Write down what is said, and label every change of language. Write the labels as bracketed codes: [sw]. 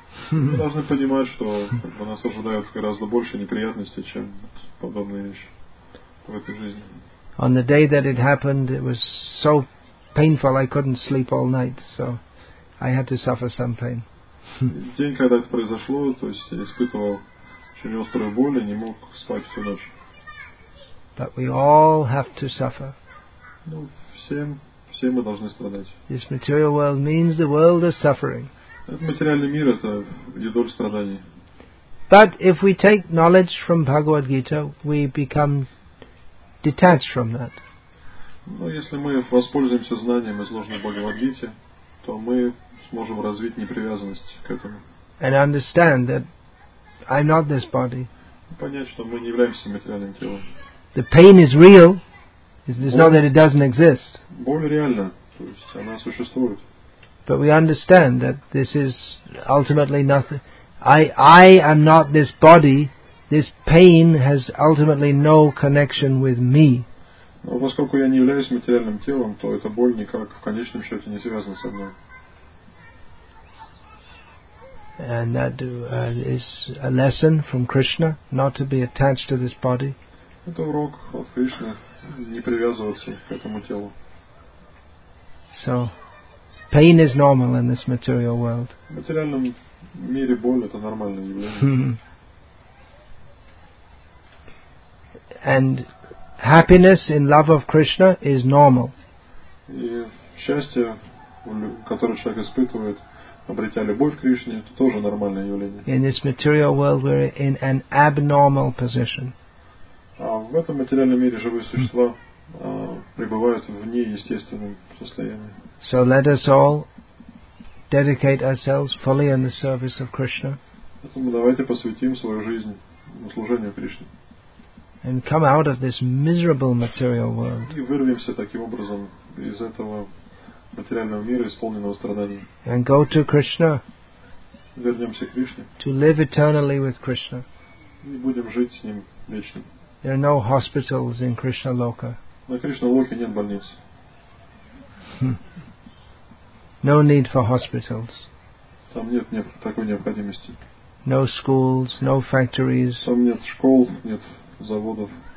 [ru] Мы должны понимать, что нас ожидают гораздо больше неприятностей, чем подобные вещи в этой жизни. [en] On the day that it happened, it was so painful I couldn't sleep all night, so I had to suffer some pain. [ru] День, когда это произошло, то есть я испытывал очень острую боль и не мог спать всю ночь. [en] But we all have to suffer. [ru] Ну, все мы должны страдать. [en] This material world means the world is suffering. [ru] Этот материальный мир — это юдоль страданий. [en] But if we take knowledge from Bhagavad Gita, we become detached from that. [ru] Ну, если мы воспользуемся знанием, изложенным в Бхагавад Гите, то мы сможем развить непривязанность к этому. [en] And understand that I'm not this body. [ru] Понять, что мы не являемся материальным телом. [en] The pain is real. It's not that it doesn't exist. [ru] Боль реальна, то есть она существует. [en] But we understand that this is ultimately nothing. I am not this body. This pain has ultimately no connection with me. [ru] Но поскольку я не являюсь материальным телом, то эта боль никак в конечном счете не связана со мной. [en] And that is a lesson from Krishna, not to be attached to this body. [ru] Это урок от Кришны, не привязываться к этому телу. [en] So, pain is normal in this material world. [ru] В материальном мире боль — это нормальное явление. [en] And happiness in love of Krishna is normal. [ru] И счастье, которое человек испытывает, обретя любовь к Кришне, это тоже нормальное явление. [en] In this material world, we're in an abnormal position. [ru] А в этом материальном мире живые существа пребывают в неестественном состоянии. [en] So let us all dedicate ourselves fully in the service of Krishna. [ru] Поэтому давайте посвятим свою жизнь на служение Кришне. [en] And come out of this miserable material world. [ru] И вырвемся таким образом из этого материального мира, исполненного страданий. [en] And go to Krishna. [ru] Вернемся к Кришне. [en] To live eternally with Krishna. [ru] И будем жить с ним вечно. [en] There are no hospitals in Krishna Loka. [ru] На Кришна Локе нет больниц. [en] No need for hospitals. [ru] Там нет такой необходимости. [en] No schools, no factories. [ru] Там нет школ, нет заводов.